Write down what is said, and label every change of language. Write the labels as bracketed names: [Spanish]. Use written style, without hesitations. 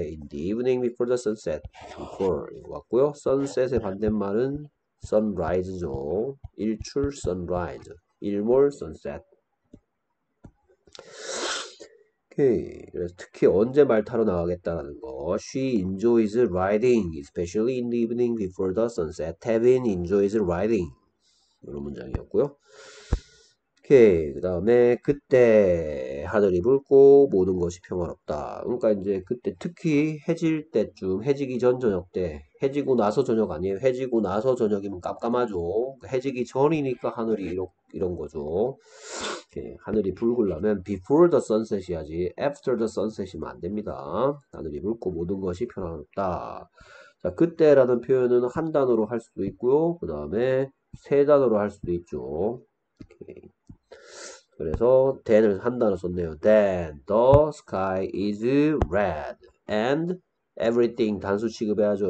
[English] In the evening before the sunset. Before. [Korean] 이거 같고요. Sunset의 반대말은 sunrise죠. 일출 sunrise. 일몰 sunset. 오케이. 그래서 특히 언제 말 타러 나가겠다라는 거. [English] She enjoys riding, especially in the evening before the sunset. Tevin enjoys riding. [Korean] 이런 문장이었고요. 오케이. 그다음에 그때 하늘이 붉고 모든 것이 평화롭다. 그러니까 이제 그때 특히 해질 때쯤, 해지기 전 저녁 때, 해지고 나서 저녁 아니에요? 해지고 나서 저녁이면 깜깜하죠. 해지기 전이니까 하늘이 이런 거죠. 오케이. 하늘이 붉으려면 [English] before the sunset [Korean] 이야지. [English] after the sunset [Korean] 이면 안 됩니다. 하늘이 붉고 모든 것이 평화롭다. 자, 그때라는 표현은 한 단어로 할 수도 있고요. 그다음에 세 단어로 할 수도 있죠. 오케이. 그래서 then을 한 단어 썼네요. [English] Then the sky is red and everything [Korean] 단수 취급해야죠.